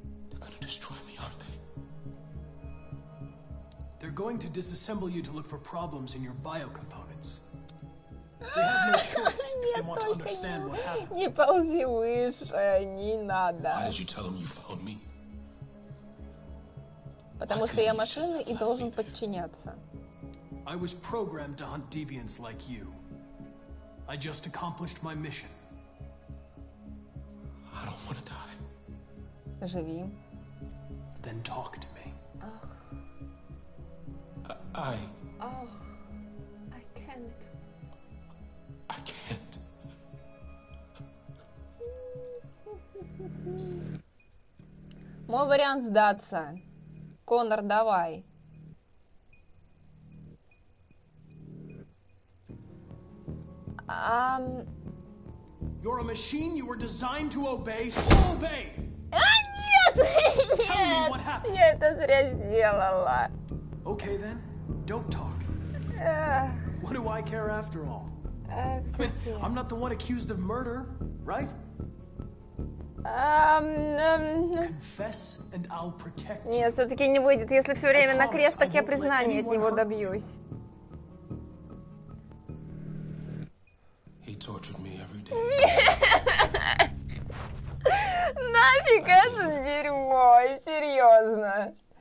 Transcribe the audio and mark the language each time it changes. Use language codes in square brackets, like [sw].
[en] They're gonna destroy me, aren't they? They're going to disassemble you to look for problems in your biocomponents. They have no choice if they want to understand what happened. [ru] Не ползи выше, не надо. [en] Why did you tell them you found me? [ru] Потому что я машина и должен подчиняться. [en] I was programmed to hunt deviants like you. I just accomplished my mission. I don't want to die. [ru] Живи. [en] Then talk to me. Ugh. I... Ugh. I can't. I can't. [ru] Мой вариант сдаться. Коннор, давай. [en] You're a machine, you were designed to obey, so obey! [ru] А, нет! [en] Tell me what happened! [ru] Я это зря сделала. [en] Okay then, don't talk. What do I care after all? I mean, I'm not the one accused of murder, right? Confess and I'll protect you. [ru] Нет, все-таки не выйдет. Если все время на крест, так я признания от него добьюсь. Нафиг это дерьмо, серьезно.